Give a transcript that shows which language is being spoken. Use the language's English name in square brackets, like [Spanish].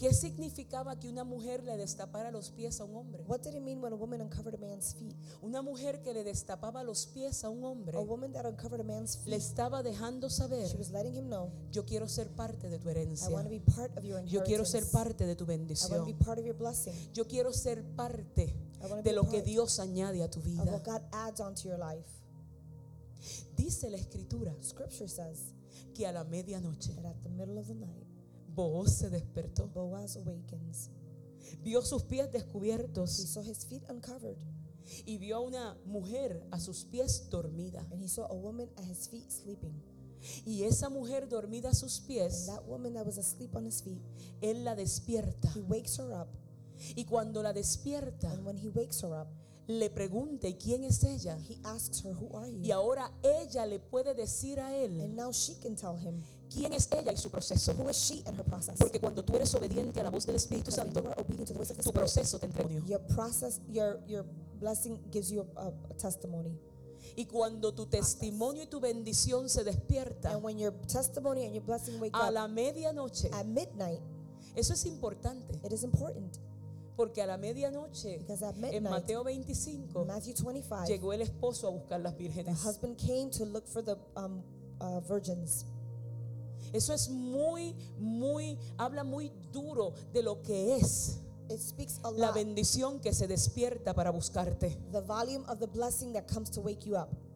[Spanish] ¿Qué significaba que una mujer le destapara los pies a un hombre? [English] What did it mean when a woman uncovered a man's feet? [Spanish] Una mujer que le destapaba los pies a un hombre. [English] A woman that uncovered a man's feet. [Spanish] Le estaba dejando saber. [English] She was letting him know. [Spanish] Yo quiero ser parte de tu herencia. [English] I want to be part of your inheritance. [Spanish] Yo quiero ser parte de tu bendición. [English] I want to be part of your blessing. [Spanish] Yo quiero ser parte de lo que Dios añade a tu vida. [English] Of what God adds onto your life. [Spanish] Dice la escritura. [English] Scripture says. [Spanish] Que a la medianoche, [English] at the middle of the night, [Spanish] Boaz se despertó. [English] Boaz awakens. [Spanish] Vio sus pies descubiertos. [English] He saw his feet uncovered. [Spanish] Y vio a una mujer a sus pies dormida. [English] And he saw a woman at his feet sleeping. [Spanish] Y esa mujer dormida a sus pies, [English] and that woman that was asleep on his feet, [Spanish] él la despierta. [English] He wakes her up. [Spanish] Y cuando la despierta, [English] and when he wakes her up, [Spanish] le pregunta, ¿quién es ella? [English] He asks her, who are you? [Spanish] Y ahora ella le puede decir a él. [English] And now she can tell him. [Spanish] ¿Quién es ella y su proceso? [English] Who is she and her process? [Spanish] Porque cuando tú eres obediente a la voz del Espíritu Santo, [English] you are obedient to the voice of the [Spanish] Spirit, tu proceso te entregó. [English] Your process, your blessing gives you a testimony. [Spanish] Y cuando tu testimonio y tu bendición se despierta. [English] And when your testimony and your blessing wake up. [Spanish] A la medianoche. [English] At midnight. [Spanish] Eso es importante. [English] It is important. [Spanish] Porque a la medianoche, en Mateo 25, [English] Matthew 25, [Spanish] llegó el esposo a buscar las vírgenes. [English] The husband came to look for the virgins. [Spanish] Eso es muy, muy, habla muy duro de lo que es. [English] It speaks a lot. [Spanish] La bendición que se despierta para buscarte. [English] The volume of the blessing that comes to wake you up.